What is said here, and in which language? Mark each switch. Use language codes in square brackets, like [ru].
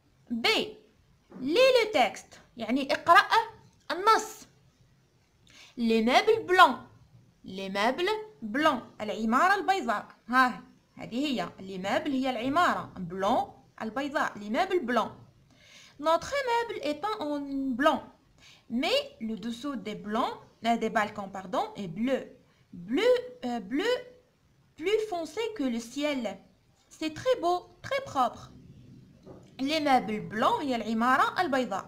[ar] بي لي لو تيكست يعني اقرا النص. لي مابل بلون، لي مابل بلون العماره البيضاء، ها هذه هي لي مابل هي العماره، بلون البيضاء لي مابل بلون. [fr] Notre immeuble est peint en blanc, mais le dessous des blancs, des balcons pardon, est bleu. Bleu plus foncé que le ciel. C'est très beau, très propre. [ar] L'immeuble blanc, هي العمارة البيضاء.